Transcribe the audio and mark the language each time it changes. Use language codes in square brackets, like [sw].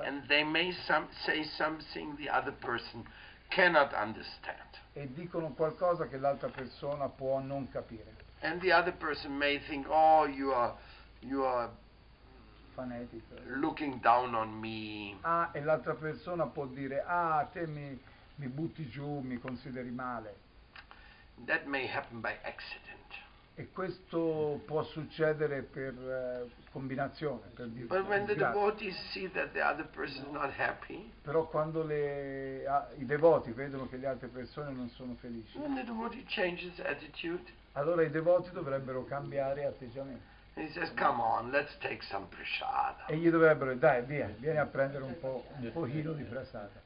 [en] And they may say something the other person cannot understand. [it] E dicono qualcosa che l'altra persona può non capire. [en] And the other person may think, oh, you are [it] fanatico. [en] Looking down on me. [it] Ah, e l'altra persona può dire, ah, te mi butti giù, mi consideri male. [en] That may happen by accident. [it] E questo può succedere per combinazione, per dire. [en] But when the devotees see that the other person is not happy. [it] Però quando i devoti vedono che le altre persone non sono felici. [en] When the devotee changes attitude. [it] Allora i devoti dovrebbero cambiare atteggiamento. [en] He says, come on, let's take some prasada. [it] E gli dovrebbero, dai, vieni a prendere un pochino di prasada.